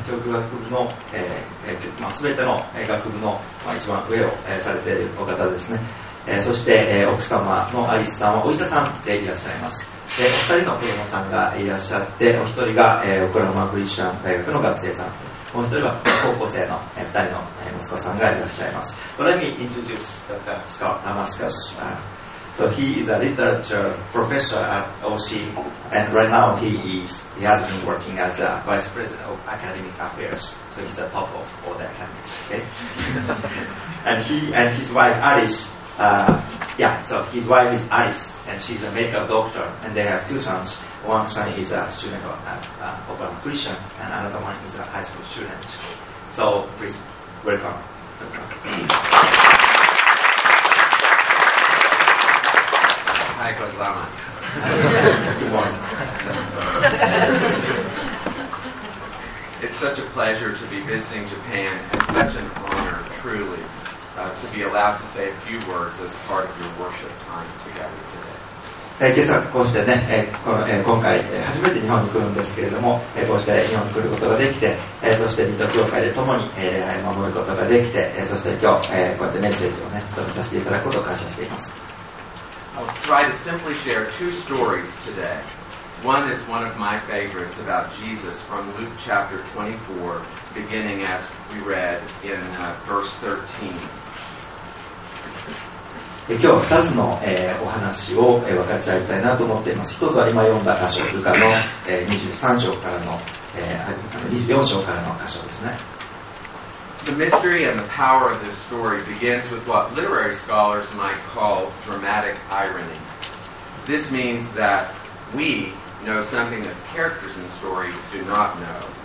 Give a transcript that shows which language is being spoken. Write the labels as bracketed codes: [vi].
[ja] 教育学部の、全ての学部の、一番上を、されているお方ですね。そして、奥様のアリスさんはお医者さんでいらっしゃいます。お二人の子供さんがいらっしゃって、お一人が、オクラホマクリスチャン大学の学生さん、もう一人は高校生の二人の息子さんがいらっしゃいます。 [en] Let me introduce Dr. Scott Damascus. So he is a literature professor at OC, and right now he has been working as a vice president of academic affairs. So he's a top of all the academics, okay? And he and his wife Arish, so his wife is Arish, and she's a medical doctor, and they have two sons. One son is a student of Oklahoma Christian, and another one is a high school student. So please welcome. Hi, Kozama. It's such a pleasure to be visiting Japan, and such an honor, truly, to be allowed to say a few words as part of your worship time together today. [ja] 今朝こうしてね、今回初めて日本に来るんですけれども、こうして日本に来ることができて、そして水戸教会で共に礼拝を守ることができて、そして今日こうやってメッセージをね、伝えさせていただくことを感謝しています。 [en] I'll try to simply share two stories today. One is one of my favorites about Jesus from Luke chapter 24, beginning as we read in verse 13. [ja] 今日は2つの、お話を、分かち合いたいなと思っています。1つは今読んだ箇所、ルカの、23章からの、24章からの箇所ですね。 [en] The mystery and the power of this story begins with what literary scholars might call dramatic irony. This means that we know something that the characters in the story do not know.